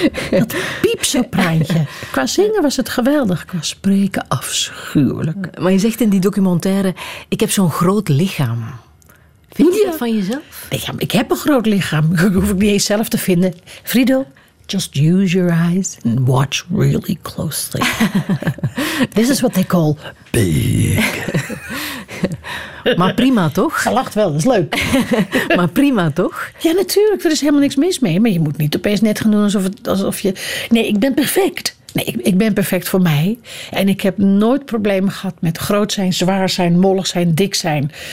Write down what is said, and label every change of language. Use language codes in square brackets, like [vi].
[nl] Dat piepsopraantje. Qua zingen was het geweldig. Qua spreken afschuwelijk. Maar je zegt in die documentaire, ik heb zo'n groot lichaam. Vind je dat van jezelf? Nee, ja, ik heb een groot lichaam. Dat hoef ik niet eens zelf te vinden. [en] Friedel, just use your eyes and watch really closely. This is what they call big. [nl] Maar prima, toch? Hij lacht wel, dat is leuk. Maar prima, toch? Ja, natuurlijk. Er is helemaal niks mis mee. Maar je moet niet opeens net gaan doen alsof je... Nee, ik ben perfect. Nee, ik ben perfect voor mij. En ik heb nooit problemen gehad met groot zijn, zwaar zijn, mollig zijn, dik zijn.